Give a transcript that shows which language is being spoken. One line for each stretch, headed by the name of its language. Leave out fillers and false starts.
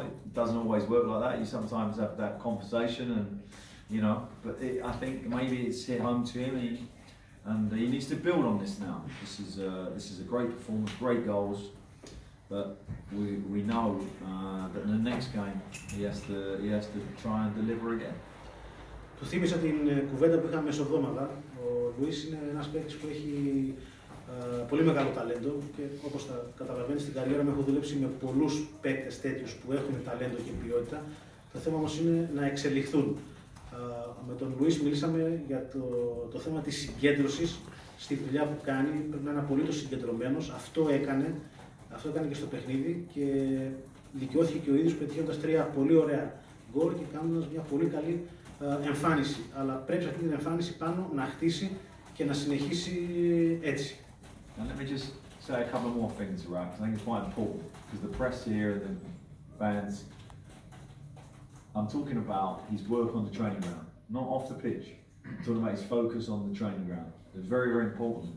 English: It doesn't always work like that. You sometimes have that conversation and, you know, but it, I think maybe it's hit home to him. And he needs to build on this now. This is a great performance, great goals. But we know that in the next game he has to try and deliver again.
Greek: Το θύμισα την κουβέντα που είχαμε μεσοβδόμαδα. Ο Λουίς είναι ένας παίκτης που έχει πολύ μεγάλο ταλέντο και όπως θα καταλαβαίνεις στην καριέρα μου έχω δουλέψει με πολλούς παίκτες τέτοιους που έχουν ταλέντο και ποιότητα. Το θέμα όμως είναι να εξελιχθούν. Με τον Λουίς μιλήσαμε για το θέμα της συγκέντρωσης στη δουλειά που κάνει. Πρέπει να είναι απολύτως συγκεντρωμένος. Αυτό έκανε και στο παιχνίδι και δικαιώθηκε και ο ίδιος πετυχαίνοντας 3 πολύ ωραία γκολ και κάνοντας μια πολύ καλή εμφάνιση. Αλλά πρέπει αυτή την εμφάνιση πάνω να χτίσει και να συνεχίσει έτσι.
English: Now let me just say a couple more things, right? Because I think it's quite important. Because the press here and the fans, I'm talking about his work on the training ground, not off the pitch. I'm talking about his focus on the training ground. It's very, very important.